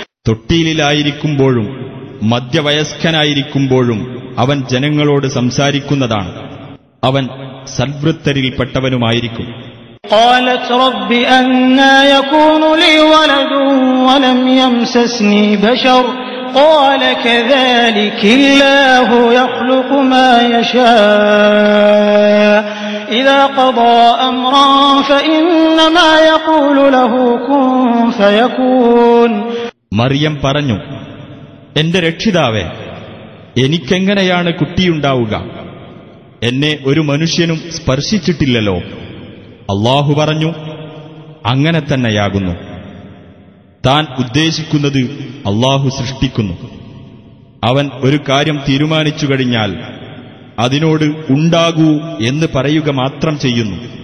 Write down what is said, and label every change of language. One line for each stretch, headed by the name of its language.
Malayalam: തൊട്ടിയിലായിരിക്കുമ്പോഴും മധ്യവയസ്കനായിരിക്കുമ്പോഴും അവൻ ജനങ്ങളോട് സംസാരിക്കുന്നതാണ്. അവൻ സൽവൃത്തരിൽപ്പെട്ടവനുമായിരിക്കും.
Arabic: قالت رب أنى يكون لي ولد ولم يمسسني بشر قال كذلك الله يخلق ما يشاء إذا قضى أمرا فإنما يقول له كن فيكون
Malayalam: മറിയം പറഞ്ഞു, എന്റെ രക്ഷിതാവേ, എനിക്കെങ്ങനെയാണ് കുട്ടിയുണ്ടാവുക? എന്നെ ഒരു മനുഷ്യനും സ്പർശിച്ചിട്ടില്ലല്ലോ. അല്ലാഹു പറഞ്ഞു, അങ്ങനെ തന്നെയാകുന്നു. താൻ ഉദ്ദേശിക്കുന്നത് അല്ലാഹു സൃഷ്ടിക്കുന്നു. അവൻ ഒരു കാര്യം തീരുമാനിച്ചു കഴിഞ്ഞാൽ അതിനോട് ഉണ്ടാകൂ എന്ന് പറയുക മാത്രം ചെയ്യുന്നു.